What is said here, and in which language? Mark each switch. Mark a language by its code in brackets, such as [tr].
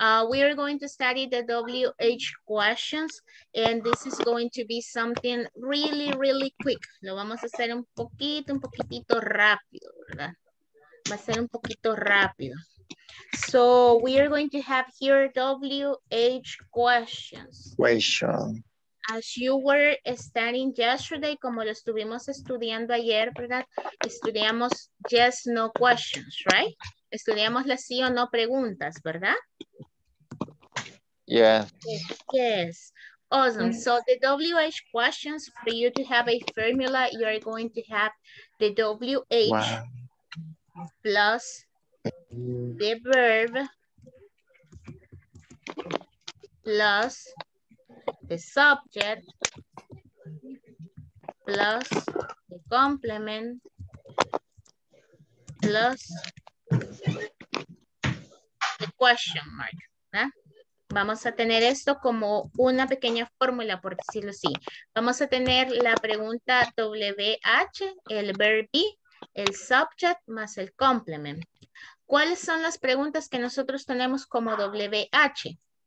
[en] We are going to study the WH questions, and this is going to be something really, really quick. [es] Lo vamos a hacer un poquitito rápido, ¿verdad? Va a ser un poquito rápido. [en] So we are going to have here WH questions. Question. As you were studying yesterday, [es] como lo estuvimos estudiando ayer, ¿verdad? Estudiamos [en] yes, no questions, right? [es] Estudiamos las sí o no preguntas, ¿verdad? [en] Yeah. Yes. Awesome. So the WH questions, for you to have a formula, you are going to have the WH plus the verb plus the subject plus the complement plus the question mark. ¿Eh? [es] Vamos a tener esto como una pequeña fórmula, por decirlo así. Vamos a tener la pregunta WH, el verb be, el subject más el complement. ¿Cuáles son las preguntas que nosotros tenemos como WH?